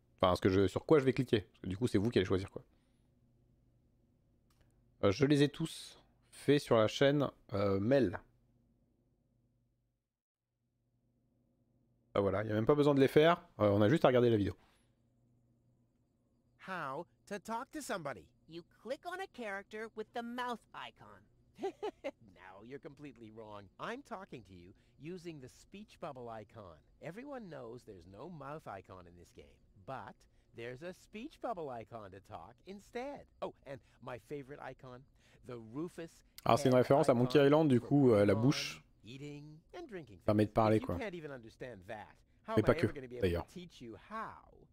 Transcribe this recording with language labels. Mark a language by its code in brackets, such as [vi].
[fr] Enfin, sur quoi je vais cliquer. Parce que du coup, c'est vous qui allez choisir, quoi. Je les ai tous faits sur la chaîne Mel. Ah, voilà, il n'y a même pas besoin de les faire. On a juste à regarder la vidéo. [en] How to talk to somebody. You click on a character with the mouth icon. Now you're completely wrong. I'm talking to you using the speech bubble icon. Everyone knows there's no mouth icon in this game, but there's a speech bubble icon to talk instead. Oh, and my favorite icon, the Rufus. [fr] Alors c'est une référence à Monkey Island, du coup, la bouche [en] eating and drinking [fr] permet de parler, quoi. [en] You can't even understand that. How am I ever going to be able to teach you how?